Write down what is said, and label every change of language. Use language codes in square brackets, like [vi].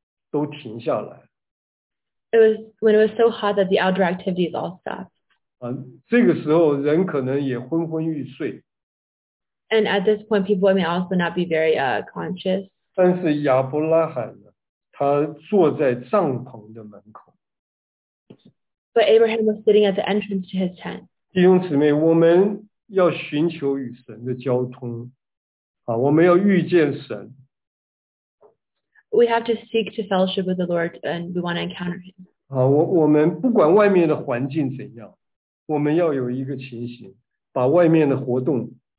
[zh] 啊，正热，说出外面的活动啊，都停下来。 [en] It was when it was so hot that the outdoor activities all stopped. [zh] 啊，这个时候人可能也昏昏欲睡。 [en] And at this point, people may also not be very conscious. [zh] 但是亚伯拉罕呢，他坐在帐篷的门口。 [en] But Abraham was sitting at the entrance to his tent. [zh] 弟兄姊妹，我们要寻求与神的交通，啊，我们要遇见神。 [en] We have to seek to fellowship with the Lord, and we want to encounter Him. [zh] 啊，我们不管外面的环境怎样，我们要有一个情形，把外面的活动。